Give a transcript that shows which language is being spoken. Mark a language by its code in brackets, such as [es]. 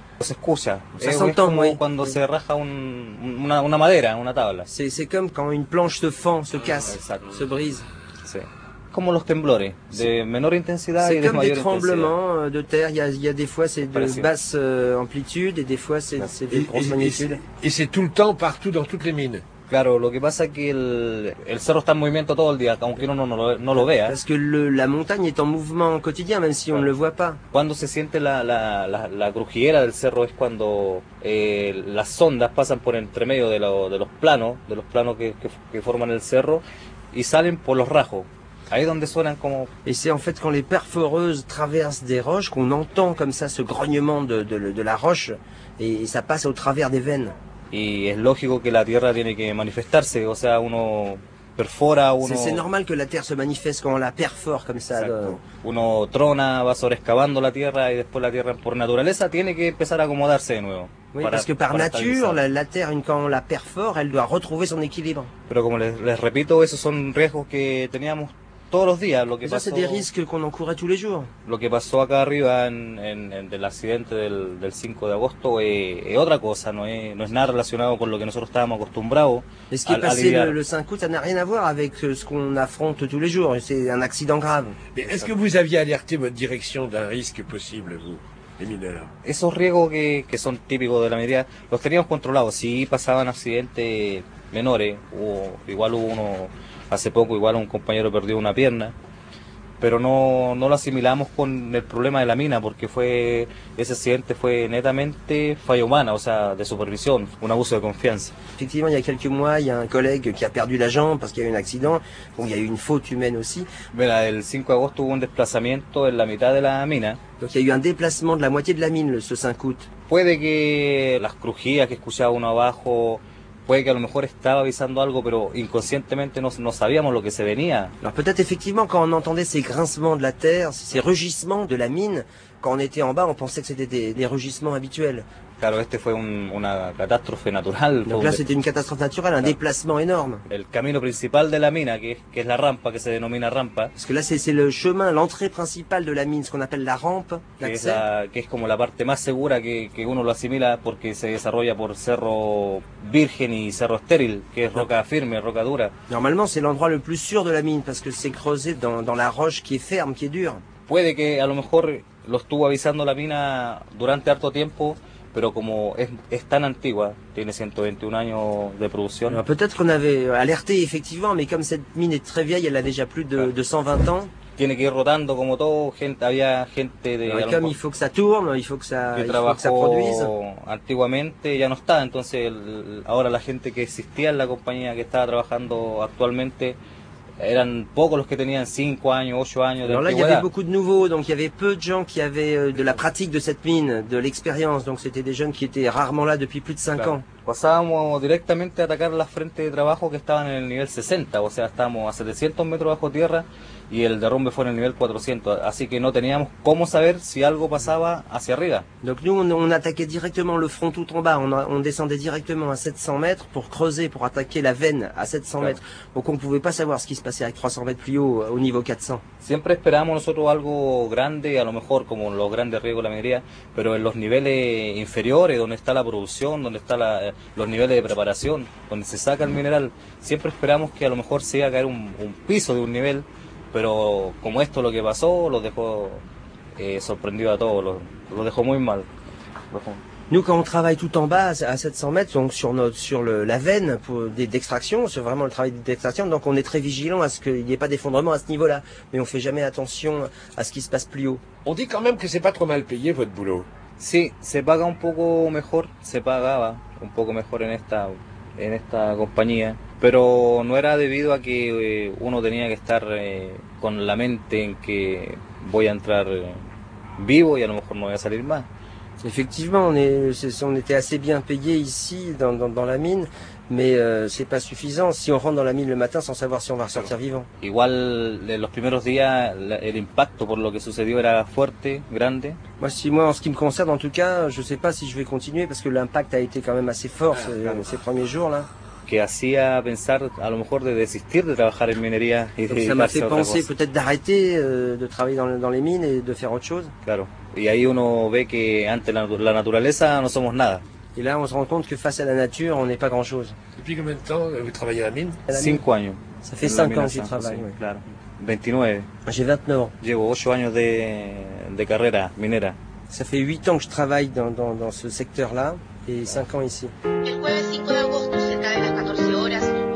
[fr] Ça s'entend, oui. [es] Cuando se raja una madera, una tabla. [fr] C'est comme quand une planche se fend, se casse, [es] exacto. [fr] Se brise. [es] Sí. Como los temblores, de menor intensidad [fr] c'est [es] y de mayor intensidad. [fr] C'est comme des tremblements de terre. Il y a des fois c'est de basse amplitude et des fois c'est de grosse magnitude. Et c'est tout le temps, partout, dans toutes les mines. [es] Claro, lo que pasa es que el cerro está en movimiento todo el día, aunque uno no lo vea. [fr] Parce que la montagne est en mouvement quotidien, même si on ne le voit pas. [es] Cuando se siente la crujiguera del cerro es cuando las ondas pasan por entre medio de los planos que forman el cerro y salen por los rajos. Ahí donde suenan como... [fr] Et c'est en fait quand les perforeuses traversent des roches qu'on entend comme ça ce grognement de la roche et ça passe au travers des veines. [es] Y es lógico que la tierra tiene que manifestarse, o sea, uno perfora, uno... [fr] C'est normal que la terre se manifeste quand on la perfore comme ça. [es] Exacto. Uno trona, va sobrescavando la tierra y después la tierra por naturaleza tiene que empezar a acomodarse de nuevo. [fr] Oui, parce que par nature, la terre, quand on la perfore, elle doit retrouver son équilibre. [es] Pero como les repito, esos son riesgos que teníamos todos los días. Lo que pasó, [fr] c'est des risques qu'on encourait tous les jours. [es] Lo que pasó acá arriba en el accidente del 5 de agosto es otra cosa, no es nada relacionado con lo que nosotros estábamos acostumbrados. [fr] Et ce qui est passé le 5 août, ça n'a rien à voir avec ce qu'on affronte tous les jours. C'est un accident grave. Mais est-ce que vous aviez alerté votre direction d'un risque possible, vous? [es] Esos riesgos que son típicos de la minería, los teníamos controlados. Sí, pasaban accidentes menores, hubo uno hace poco, igual un compañero perdió una pierna, pero no lo asimilamos con el problema de la mina, porque ese accidente fue netamente falla humana, o sea, de supervisión, un abuso de confianza. [fr] Efectivement, il y a quelques mois, il y a un collègue qui a perdu la jambe parce qu'il y a eu un accident, bon, il y a eu une faute humaine aussi. [es] Mira, el 5 de agosto hubo un desplazamiento en la mitad de la mina. [fr] Donc il y a eu un déplacement de la moitié de la mine ce 5 août. [es] Puede que las crujías que escuchaba uno abajo, puede que a lo mejor estaba avisando algo, pero inconscientemente no sabíamos lo que se venía. [fr] Alors peut-être effectivement quand on entendait ces grincements de la terre, ces rugissements de la mine, quand on était en bas, on pensait que c'était des rugissements habituels. [es] Claro, este fue una catástrofe natural. [fr] Donc là c'était une catastrophe naturelle, un déplacement énorme. [es] El camino principal de la mina, que es la rampa, que se denomina rampa. [fr] Parce que là c'est le chemin, l'entrée principale de la mine, ce qu'on appelle la rampe, l'accès. [es] Que es como la parte más segura que uno lo asimila porque se desarrolla por cerro virgen y cerro estéril, que es roca firme, roca dura. [fr] Normalement c'est l'endroit le plus sûr de la mine parce que c'est creusé dans la roche qui est ferme, qui est dure. [es] Puede que a lo mejor lo estuvo avisando la mina durante harto tiempo. Pero como es tan antigua, tiene 121 años de producción. [fr] Alors peut-être qu'on avait alerté effectivement, mais comme cette mine est très vieille, elle a déjà plus de 120 ans. [es] Tiene que ir rotando como todo, había gente de... [fr] Alors, comme il faut que ça tourne, il faut que ça produise. [es] Antiguamente ya no está, entonces ahora la gente que existía en la compañía que estaba trabajando actualmente eran pocos los que tenían 5 años, 8 años de antigüedad. Y había [fr] beaucoup de nouveaux, donc il y avait peu de gens qui avaient de la pratique de cette mine, de l'expérience, donc c'était des jeunes qui étaient rarement là depuis plus de 5 ans. [es] Pasábamos directamente a atacar las frentes de trabajo que estaban en el nivel 60, o sea, estábamos a 700 metros bajo tierra y el derrumbe fue en el nivel 400, así que no teníamos cómo saber si algo pasaba hacia arriba. [fr] Donc nous on attaquait directement le front tout en bas, on descendait directement à 700 mètres pour creuser, pour attaquer la veine à 700 mètres. Donc on ne pouvait pas savoir ce qui se passait à 300 mètres plus haut, au niveau 400. [es] Siempre esperábamos nosotros algo grande, a lo mejor como los grandes riesgos de la minería, pero en los niveles inferiores, donde está la producción, donde están los niveles de preparación, donde se saca el mineral, siempre esperamos que a lo mejor se iba a caer un piso de un nivel. Pero como esto lo que pasó lo dejó sorprendido a todos, lo dejó muy mal. [fr] Nous quand on travaille tout en bas à 700 mètres, donc sur la veine d'extraction, c'est vraiment le travail d'extraction, donc on est très vigilant à ce qu'il n'y ait pas d'effondrement à ce niveau-là, mais on fait jamais attention à ce qui se passe plus haut. On dit quand même que c'est pas trop mal payé votre boulot. [es] Si, se paga un poco mejor, se pagaba un poco mejor en esta compañía. Pero no era debido a que uno tenía que estar con la mente en que voy a entrar vivo y a lo mejor no voy a salir más. [fr] Effectivement, on était assez bien payé ici dans la mine, mais c'est pas suffisant si on rentre dans la mine le matin sans savoir si on va ressortir vivant. [es] Igual, los primeros días, el impacto por lo que sucedió era fuerte, grande. [fr] Moi, en ce qui me concerne, en tout cas, je sais pas si je vais continuer parce que l'impact a été quand même assez fort ces premiers jours là. [es] Que hacía pensar a lo mejor de desistir de trabajar en minería y de [fr] ça m'a fait penser peut-être d'arrêter de travailler dans les mines et de faire autre chose. [es] Claro, y ahí uno ve que ante la naturaleza no somos nada. [fr] Et là on se rend compte que face à la nature on n'est pas grand chose. Depuis combien de temps vous travaillez à la mine? [es] 5 años. [fr] Ça fait 5 ans que je travaille. Oui. [es] Claro. 29. [fr] J'ai 29 ans. [es] Llevo 8 años de carrera minera. [fr] Ça fait 8 ans que je travaille dans ce secteur-là et 5 ans ici. [es] El jueves 5 de agosto se cae a las 14 horas.